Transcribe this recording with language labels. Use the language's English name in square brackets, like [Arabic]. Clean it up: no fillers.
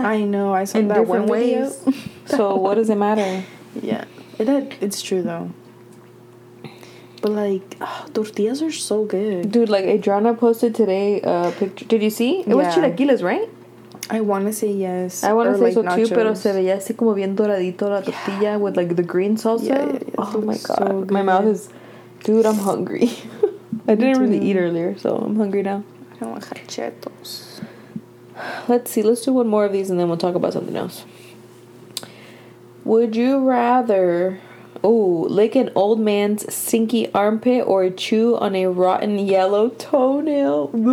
[English] I know. I saw that one way. So what does it matter? Yeah. It's true, though. But, like, tortillas are so good. Dude, like, Adriana posted today a picture. Did you see? It was chilaquiles, right? I want to say yes. I want to say like so, nachos. [Spanish] Too, pero se veía así como bien doradito la tortilla [English] with, like, the green salsa. Yeah, oh, my God. So my mouth is... Dude, I'm hungry. I didn't really eat earlier, so I'm hungry now. I don't want cachetos. Let's see. Let's do one more of these, and then we'll talk about something else. Would you rather... Oh, lick an old man's stinky armpit or chew on a rotten yellow toenail.